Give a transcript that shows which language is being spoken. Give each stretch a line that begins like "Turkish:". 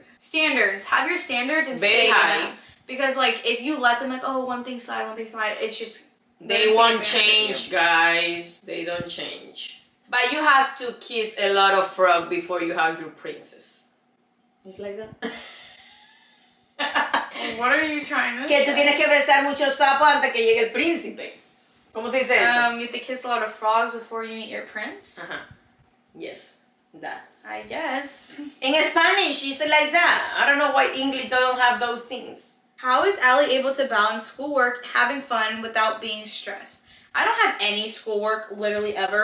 English: Standards. Have your standards and Very stay high. To them. Because, like, if you let them, like, oh, one thing slide, it's just... They won't change, guys. They don't change. But you have to kiss a lot of frog before you have your princess. It's like that? What are you trying to
Spanish: que
English: say?
Spanish: Que tú tienes que besar mucho sapo antes que llegue el príncipe. ¿Cómo se dice eso?
English: You have to kiss a lot of frogs before you meet your prince? Uh-huh. Yes. That. I guess. In Spanish, you say like that. I don't know why English don't have those things. How is Allie able to balance schoolwork, having fun, without being stressed? I don't have any schoolwork, literally, ever.